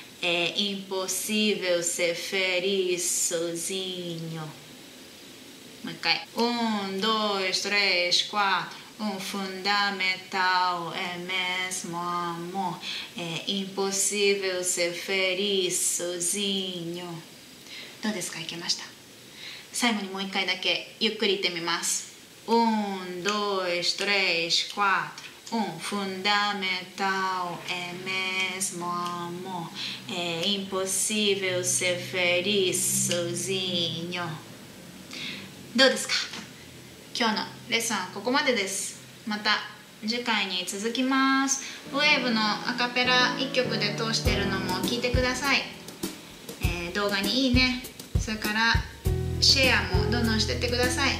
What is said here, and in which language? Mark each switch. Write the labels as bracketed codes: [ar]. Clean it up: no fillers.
[pt] é impossível ser feliz sozinho。 [ja] もう一回。 [pt] 1,2,3,4fundamental é mesmo amor。 É impossível ser feliz sozinho。 [ja] どうですか？いけました？最後にもう一回だけゆっくり言ってみます。 [pt] 1,2,3,4 fundamental é mesmo amor。 É impossível ser feliz sozinho。 [ja] どうですか？今日のレッスンはここまでです。また次回に続きます。 Wave のアカペラ1曲で通してるのも聞いてください、動画にいいね、それからシェアもどんどんしてってください。